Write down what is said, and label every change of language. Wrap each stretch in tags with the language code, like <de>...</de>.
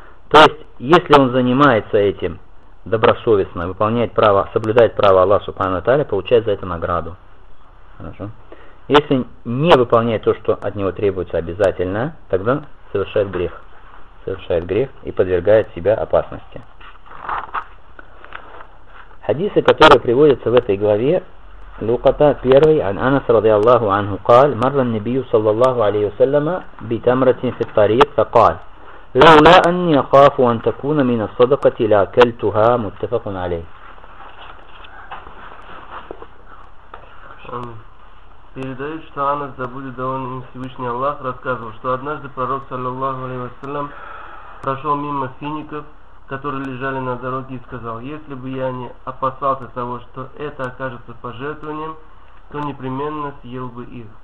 <ru>То есть, если он занимается этим добросовестно, выполняет право, соблюдает право Аллаха Субхана Таля, получает за это награду. Хорошо? Если не выполняет то, что от него требуется обязательно, тогда совершает грех. Совершает грех и подвергает себя опасности. Хадисы, которые приводятся в этой главе, Луката 1,</ru> <ar>عن Анас رضي الله عنه قال مر النبي صلى الله عليه وسلم بتمرة في الطريق فقال لولا أني أخاف أن تكون من الصدقة لأكلتها متفق عليه.</ar> <ru>Передает, что Анас, да будет доволен Всевышний Аллах, рассказывал, что однажды пророк, саллаллаху алейхи ва саллям, прошел мимо фиников, которые лежали на дороге, и сказал, если бы я не опасался того, что это окажется пожертвованием, то непременно съел бы их.</ru>